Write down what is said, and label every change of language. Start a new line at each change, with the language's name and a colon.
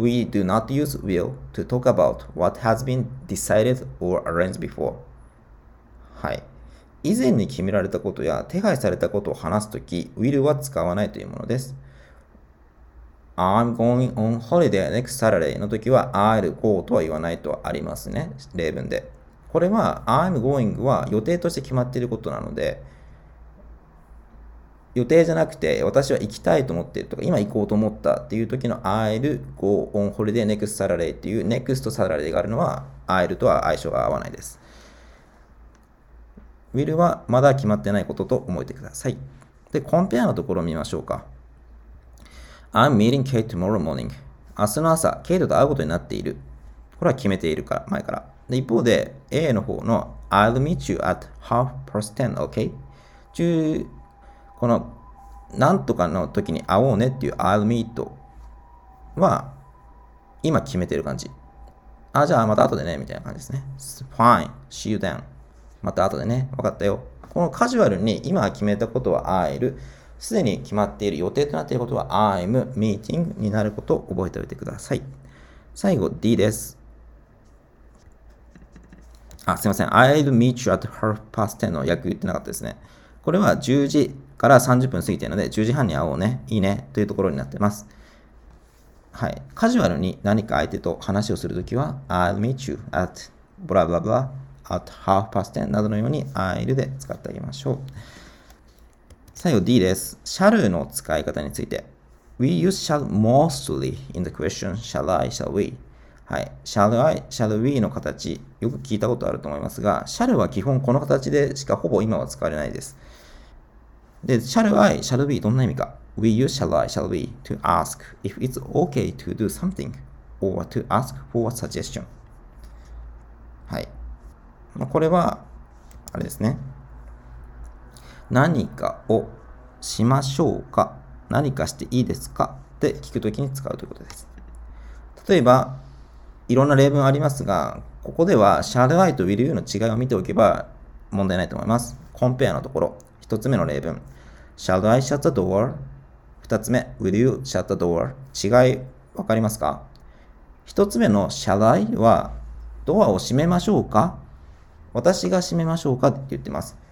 English: We do not use will to talk about what has been decided or arranged before。
Japanese: はい、以前に決められたことや手配されたことを話すとき will は使わないというものです。
English: I'm going on holiday next Saturday
Japanese: のときは I'll go とは言わないとありますね。例文でこれは I'm going は予定として決まっていることなので、予定じゃなくて私は行きたいと思っているとか今行こうと思ったっていう時の
English: I'll go on holiday next Saturday
Japanese: っていう next Saturday があるのは I'll とは相性が合わないです。 will はまだ決まってないことと思えてください。で、compare のところを見ましょうか。
English: I'm meeting Kate tomorrow morning。
Japanese: 明日の朝 Kate と会うことになっている。これは決めているから前から。で、一方で A の方の
English: I'll meet you at half past ten, okay?
Japanese: 中このなんとかの時に会おうねっていう I'll meet は今決めてる感じ。あ、じゃあまた後でねみたいな感じですね。
English: Fine, see you then。
Japanese: また後でね、分かったよ。このカジュアルに今決めたことは I'll、 すでに決まっている予定となっていることは I'm meeting になることを覚えておいてください。最後 D です。あ、すいません、 I'll meet you at half past ten の訳言ってなかったですね。これは10時から30分過ぎているので10時半に会おうね、いいねというところになっています。はい、カジュアルに何か相手と話をするときは
English: I'll meet you at ブラブラブラ at half past ten
Japanese: などのように I'll で使ってあげましょう。最後 D です。 Shall の使い方について。
English: We use shall mostly in the question shall I shall we。
Japanese: はい、Shall I shall we の形よく聞いたことあると思いますが、 Shall は基本この形でしかほぼ今は使われないです。
English: で、shall I, shall we,
Japanese: どんな意味か。
English: We use shall I, shall we to ask if it's okay to do something or to ask for a suggestion。
Japanese: はい、まあ、これはあれですね、何かをしましょうか、何かしていいですかって聞くときに使うということです。例えばいろんな例文ありますが、ここでは shall I と will you の違いを見ておけば問題ないと思います。 compare のところ、一つ目の例文、
English: Shall I shut the door?
Japanese: 二つ目、
English: Will you shut the door?
Japanese: 違い分かりますか？一つ目の Shall I は、ドアを閉めましょうか？私が閉めましょうかって言ってます。